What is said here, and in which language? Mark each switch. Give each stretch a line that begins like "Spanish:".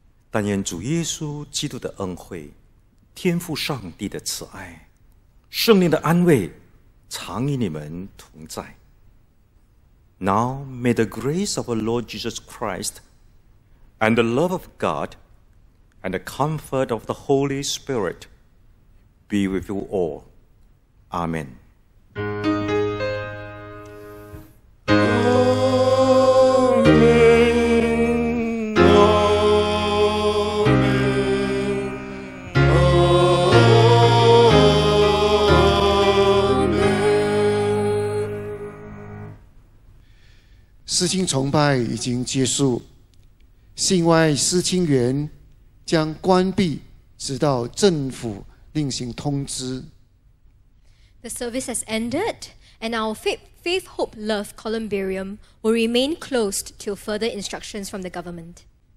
Chinese: 但愿主耶稣基督的恩惠，天父上帝的慈爱，圣灵的安慰，常与你们同在。
English: Now may the grace of our Lord Jesus Christ and the love of God and the comfort of the Holy Spirit be with you all. Amen.
Chinese: 亲崇拜已经结束，信望爱思亲园将关闭，直到政府另行通知。
English: The service has ended, and our Faith, Hope, Love columbarium will remain closed till further instructions from the government.